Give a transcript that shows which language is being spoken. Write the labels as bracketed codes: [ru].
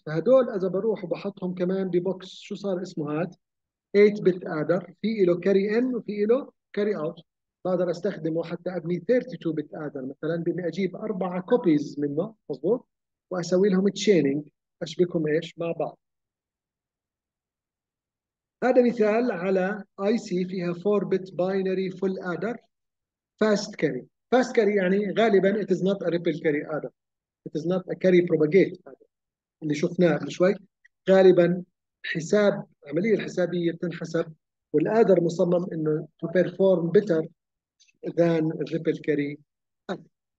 [ar] فهدول اذا بروح وبحطهم كمان ببوكس شو صار اسمه؟ هاد 8 بت ادر، في له كاري ان وفي له كاري اوت، بقدر استخدمه حتى ابني 32 بت ادر مثلا، بدي اجيب اربعه كوبيز منه مزبوط واسوي لهم تشيننج، اشبكهم ايش مع بعض. هذا مثال على اي سي فيها 4 بت باينري فول ادر فاست كاري. فاست كاري يعني غالبا [en] it is not a ripple carry adder. It is not a carry propagate adder. [ar] اللي شفناه قبل شوي غالبا حساب عملية الحسابية بتنحسب والادر مصمم انه [en] to perform better than ripple carry adder.